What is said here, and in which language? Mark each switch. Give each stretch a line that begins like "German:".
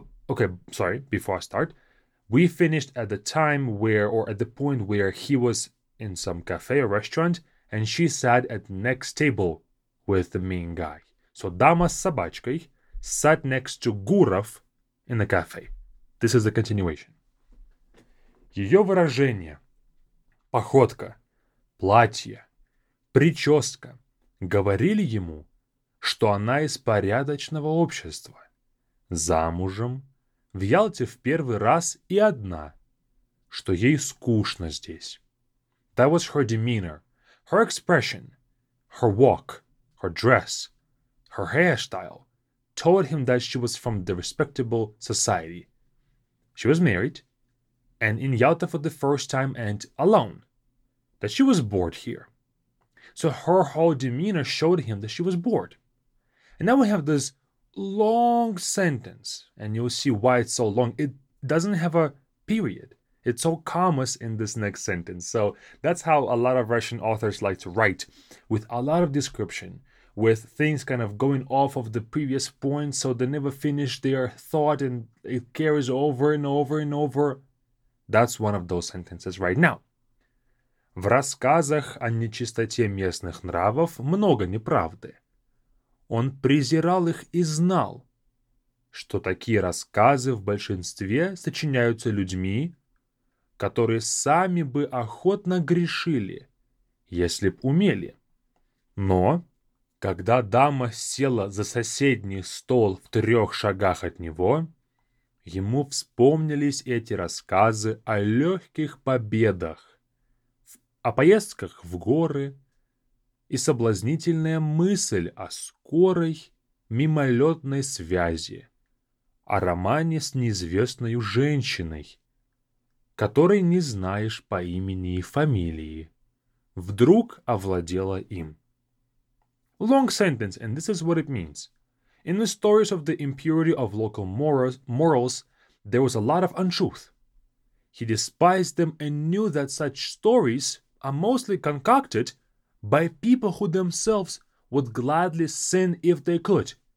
English: Okay, sorry, before I start, we finished at the time where, or at the point where he was in some cafe or restaurant, and she sat at the next table with the main guy. So, Дама с собачкой sat next to Гуров in the cafe. This is the continuation.
Russian: Ее выражение, походка, платье, прическа говорили ему, что она из порядочного общества, замужем, в Ялте в первый раз и одна, что ей скучно здесь.
English: That was her demeanor, her expression, her walk, her dress, her hairstyle told him that she was from the respectable society. She was married and in Ялта for the first time and alone, that she was bored here. So her whole demeanor showed him that she was bored. And now we have this long sentence, and you'll see why it's so long. It doesn't have a period. It's all commas in this next sentence. So that's how a lot of Russian authors like to write, with a lot of description, with things kind of going off of the previous point, so they never finish their thought, and it carries over and over and over. That's one of those sentences right now.
Russian: В рассказах о нечистоте местных нравов много неправды. Он презирал их и знал, что такие рассказы в большинстве сочиняются людьми, которые сами бы охотно грешили, если б умели. Но, когда дама села за соседний стол в 3 шагах от него, ему вспомнились эти рассказы о легких победах, о поездках в горы, и соблазнительная мысль о скорой мимолетной связи, о романе с неизвестной женщиной, которой не знаешь по имени и фамилии, вдруг овладела им.
English: Long sentence, and this is what it means. In the stories of the impurity of local morals, there was a lot of untruth. He despised them and knew that such stories are mostly concocted by people who themselves would gladly sin if they could.